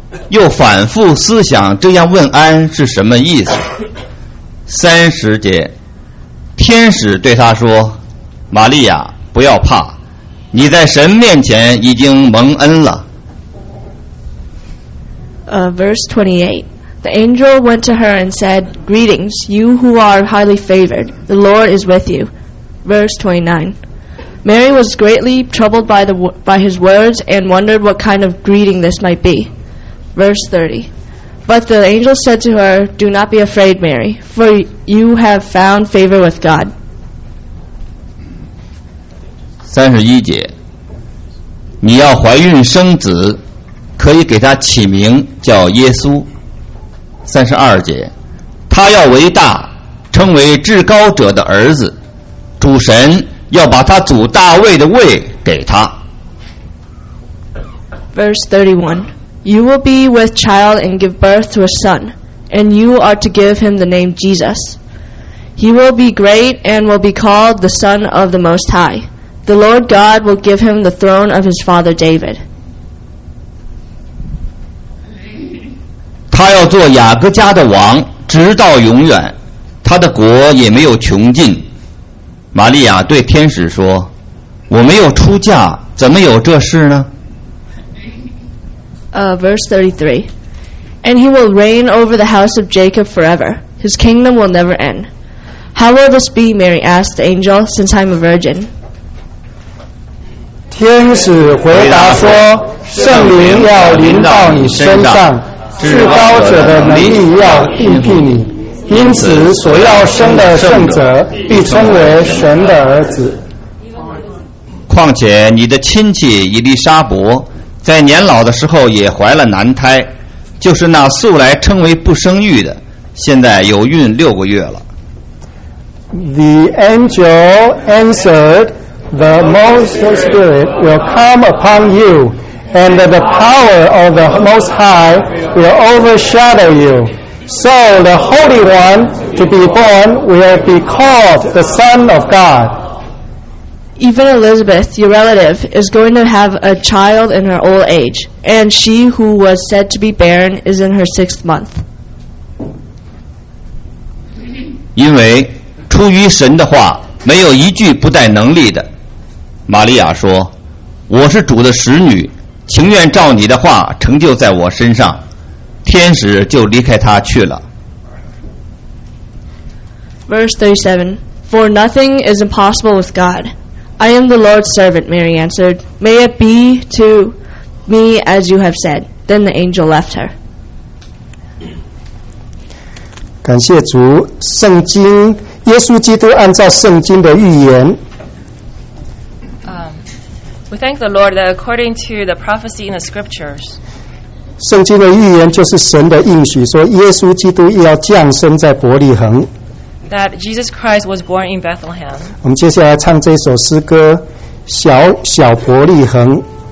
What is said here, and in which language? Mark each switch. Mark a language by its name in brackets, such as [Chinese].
[Chinese] 又反复思想这样问安是什么意思。30节，天使对他说：“玛利亚，不要怕，你在神面前已经蒙恩了。” [English] Verse 28. The angel went to her and said, "Greetings, you who are highly favored. The Lord is with you." Verse 29. Mary was greatly troubled by his words and wondered what kind of greeting this might be. Verse 30. But the angel said to her, "Do not be afraid, Mary, for you have found favor with God." [Chinese] 31节。你要怀孕生子，可以给他起名叫耶稣。 32节，他要为大，称为至高者的儿子，主神要把他祖大卫的位给他。 [English] Verse 31, you will be with child and give birth to a son, and you are to give him the name Jesus. He will be great and will be called the Son of the Most High. The Lord God will give him the throne of his father David. [Chinese] 他要做雅各家的王，直到永远，他的国也没有穷尽。玛利亚对天使说：“我没有出嫁，怎么有这事呢？” [English] Verse 33, and he will reign over the house of Jacob forever. His kingdom will never end. How will this be? Mary asked the angel, since I'm a virgin. [Chinese] 天使回答说，圣灵要临到你身上，至高者的能力要庇护你，因此所要生的圣者必称为神的儿子。况且你的亲戚伊丽莎伯在年老的时候也怀了男胎，就是那素来称为不生育的，现在有孕六个月了。 [English] The angel answeredThe Most Spirit will come upon you, and the power of the Most High will overshadow you. So the Holy One to be born will be called the Son of God. Even Elizabeth, your relative, is going to have a child in her old age, and she who was said to be barren is in her sixth month. [Chinese] 因为出于神的话，没有一句不带能力的。玛利亚说，我是主的使女，情愿照你的话成就在我身上。天使就离开他去了。 [English] Verse 37, for nothing is impossible with God. I am the Lord's servant, Mary answered. May it be to me as you have said. Then the angel left her. [Chinese] 感谢主，圣经，耶稣基督按照圣经的预言， [English] We thank the Lord that according to the prophecy in the scriptures, [Chinese] 圣经的预言就是神的应许，说耶稣基督要降生在伯利恒。 [English] That Jesus Christ was born in Bethlehem. [Chinese] 我们接下来唱这首诗歌《小小伯利恒》。